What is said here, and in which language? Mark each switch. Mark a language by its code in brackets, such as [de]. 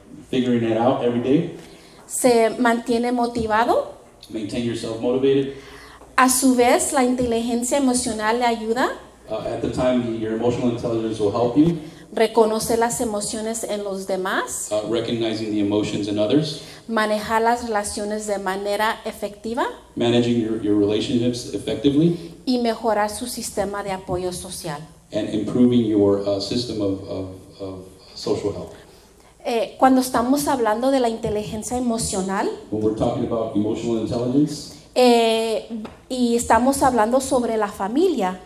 [en] Figuring it out every day. [es] Se mantiene motivado. [en] Maintain yourself motivated. [es] A su vez, la inteligencia emocional le ayuda. [en] At the time, your emotional intelligence will help you. [es] Reconoce las emociones en los demás. [en] Recognizing the emotions in others. [es] Manejar las relaciones de manera efectiva. [en] Managing your relationships effectively. [es] Y mejorar su sistema de apoyo social. [en] And improving your system of social help. [es] Cuando estamos hablando de la inteligencia emocional, [en] when we're talking about emotional intelligence, [es] y estamos hablando sobre la familia,